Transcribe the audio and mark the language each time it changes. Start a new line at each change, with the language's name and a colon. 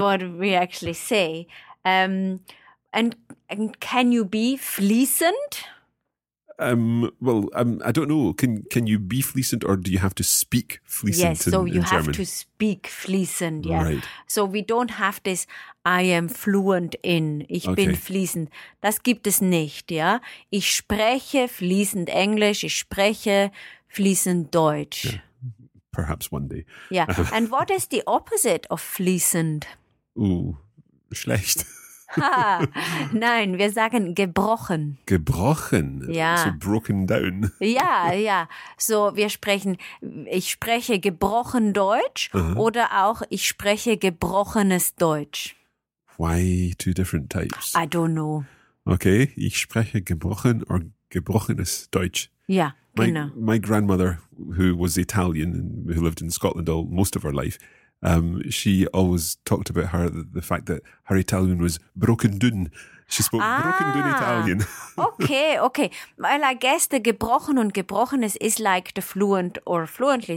English: what we actually say. And can you be fließend? I don't know. Can you be fließend or do you have to speak fließend yes, in German? Yes, so you have German? To speak fließend, yeah. Right. So we don't have this, I am fluent in, ich okay.
German: bin fließend. Das gibt es nicht, ja. Ich spreche fließend Englisch, ich spreche fließend Deutsch.
English: Yeah. Perhaps one day. Yeah. And what is the opposite of fließend?
German: Ooh, schlecht. Nein, wir sagen gebrochen. Gebrochen?
English: Yeah. So broken down. Yeah, yeah.
German: So wir sprechen, ich spreche gebrochen Deutsch uh-huh. oder auch ich spreche gebrochenes Deutsch.
English: Why two different types? I don't know.
German: Okay, ich spreche gebrochen or gebrochenes Deutsch.
English: Yeah. My grandmother, who was Italian and who lived in Scotland most of her life, she always talked about the fact that her Italian was broken down. She spoke broken good Italian. Okay. Well, I guess the
German: gebrochen und gebrochenes
English: is like the fluent or fluently.